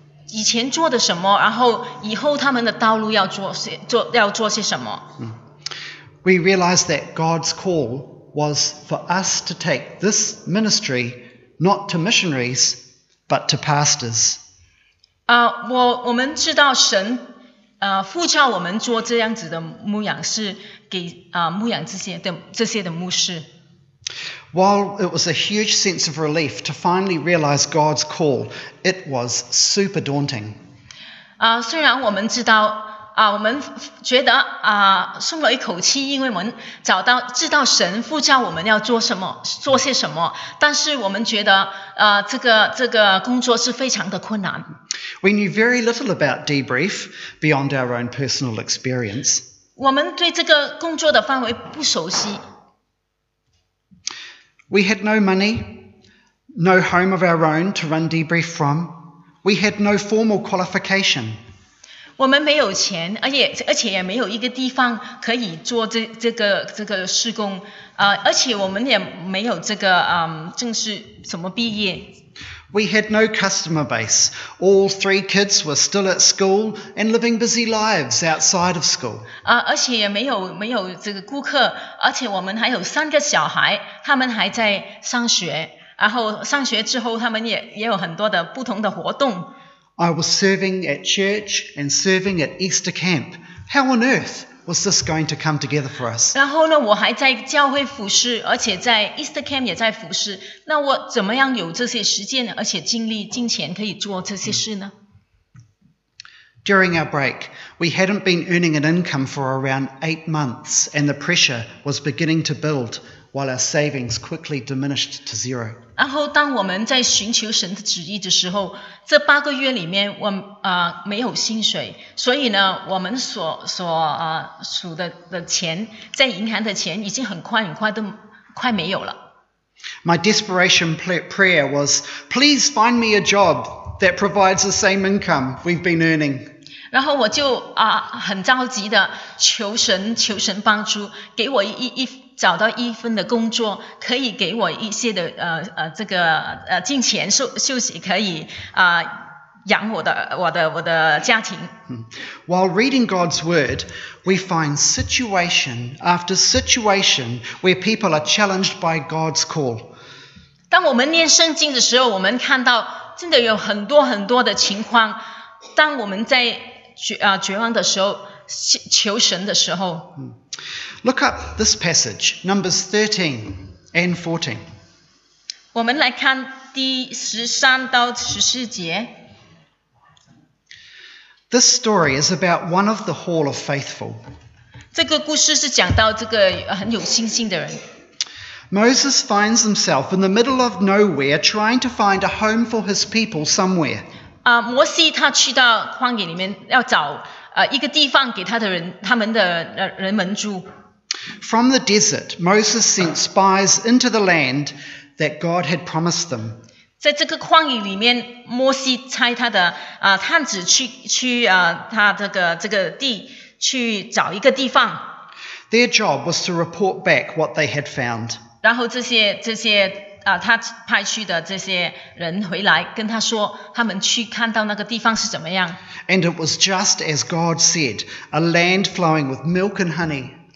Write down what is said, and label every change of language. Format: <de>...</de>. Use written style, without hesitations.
<zh>以前做的什么，然后以后他们的道路要做些什么。</zh> <en>We realized that God's call was for us to take this ministry not to missionaries, but to pastors.</en> <zh>我们知道神呼召我们做这样子的牧养，是给牧养这些的牧师。</zh> <en>While it was a huge sense of relief to finally realize God's call, it was super daunting.</en> <zh>虽然我们知道我们觉得松了一口气，因为我们知道神呼召我们要做些什么，但是我们觉得这个工作是非常的困难。</zh> <en>We knew very little about debrief beyond our own personal experience.</en> <zh>我们对这个工作的范围不熟悉。</zh> <en>We had no money, no home of our own to run debrief from. We had no formal qualification.</en> <zh>我们没有钱，而且也没有一个地方可以做这个事工，而且我们也没有这个正式什么毕业。</zh> <en>We had no customer base. All three kids were still at school and living busy lives outside of school.</en> <zh>而且也没有这个顾客，而且我们还有三个小孩，他们还在上学，然后上学之后他们也有很多的不同的活动。</zh> <en>I was serving at church and serving at Easter camp. How on earth was this going to come together for us?</en> <zh>然后呢，我还在教会服侍，而且在 Easter camp 也在服侍。那我怎么样有这些时间，而且精力、金钱可以做这些事呢？</zh> <en>During our break, we hadn't been earning an income for around 8 months, and the pressure was beginning to build while our savings quickly diminished to zero.</en> <zh>然后当我们在寻求神的旨意的时候，这八个月里面我没有薪水，所以呢我们所数的钱在银行的钱已经很快都快没有了。</zh> <en>My desperation prayer was, please find me a job that provides the same income we've been earning.</en> <zh>然后我就很着急的求神帮助，给我一找到一份的工作，可以给我一些的这个金钱休息，可以养我的家庭。</zh> <en>While reading God's word, we find situation after situation where people are challenged by God's call.</en> <zh>当我们念圣经的时候，我们看到真的有很多很多的情况。当我们在绝望的时候，求神的时候。</zh> <en>Look up this passage, Numbers 13 and 14.</en> <zh>我们来看第13到14节。</zh> <en>This story is about one of the hall of faithful.</en> <zh>这个故事是讲到这个很有信心的人。</zh> <en>Moses finds himself in the middle of nowhere trying to find a home for his people somewhere.</en> <zh>摩西他去到旷野里面要找一个地方给他们的人们住。</zh> <en>From the desert, Moses sent spies into the land that God had promised them.</en> <zh>在这个旷野里面，摩西差他的探子去他这个地去找一个地方。</zh> <en>Their job was to report back what they had found.</en> <zh>然后这些他派去的这些人回来跟他说，他们去看到那个地方是怎么样。</zh> <en>And it was just as God said, a land flowing with milk and honey.</en>